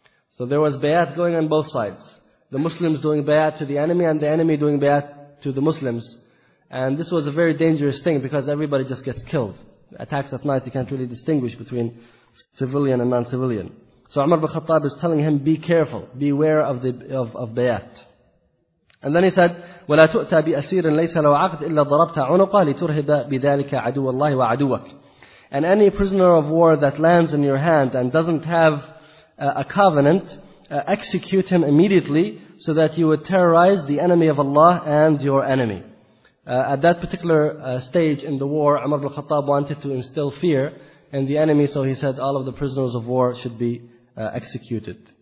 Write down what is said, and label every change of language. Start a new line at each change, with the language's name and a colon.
English: So there was Bayat going on both sides. The Muslims doing Bayat to the enemy and the enemy doing Bayat to the Muslims. And this was a very dangerous thing because everybody just gets killed. Attacks at night, you can't really distinguish between civilian and non-civilian. So Umar ibn Khattab is telling him, be careful, beware of the of bayat. And then he said,
Arabic: وَلَا تُؤْتَى بِأَسِيرٍ لَيْسَ لَوْ عَقْدٍ إِلَّا ضَرَبْتَ عُنُقَ لِتُرْهِبَ بِذَلِكَ عَدُوَ اللَّهِ وَعَدُوَكَ.
English: And any prisoner of war that lands in your hand and doesn't have a covenant, execute him immediately so that you would terrorize the enemy of Allah and your enemy. At that particular stage in the war, Umar ibn Khattab wanted to instill fear in the enemy, so he said all of the prisoners of war should be executed.